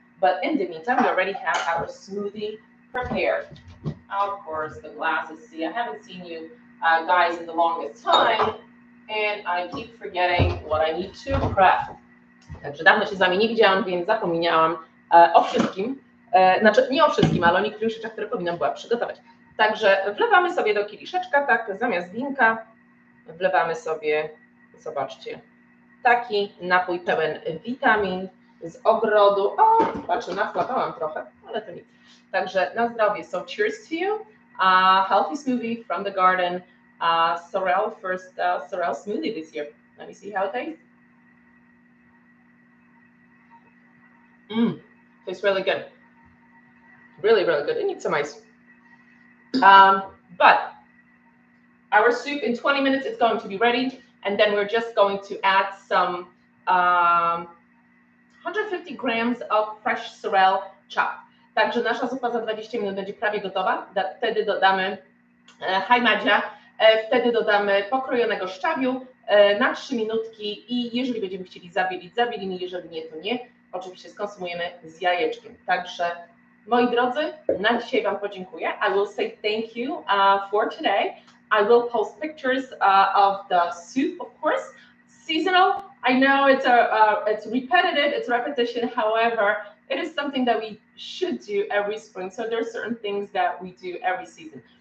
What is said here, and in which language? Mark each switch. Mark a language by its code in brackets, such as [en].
[en] But in the meantime, we already have our smoothie prepared. Of course, the glasses. See, I haven't seen you guys in the longest time, and I keep forgetting what I need to prep. [pl] Także dawno się z wami nie widziałam, więc zapomniałam o wszystkim. Znaczy, nie o wszystkim, ale o niektórych rzeczach, które powinnam była przygotować. Także wlewamy sobie do kieliszeczka, tak, zamiast winka, wlewamy sobie, zobaczcie, taki napój pełen witamin z ogrodu. O, patrzę, nachlapałam trochę, ale to nic. Także na zdrowie. [en] So cheers to you. Healthy smoothie from the garden. Sorrel, first Sorrel smoothie this year. Let me see how it tastes. Mmm, tastes really good. Really, really good. It needs some ice. But our soup in 20 minutes is going to be ready. And then we're just going to add some 150 grams of fresh sorrel chopped. [pl] Także nasza zupa za 20 minut będzie prawie gotowa. Wtedy dodamy, hi Madzia, wtedy dodamy pokrojonego szczawiu na 3 minutki. I jeżeli będziemy chcieli zabielić, zabielimy. Jeżeli nie, to nie. Oczywiście skonsumujemy z jajeczkiem. Także. Moi drodzy, na dzisiaj Wam podziękuję. [en] I will say thank you for today. I will post pictures of the soup, of course. Seasonal, I know it's repetitive, it's repetition. However, it is something that we should do every spring. So there are certain things that we do every season.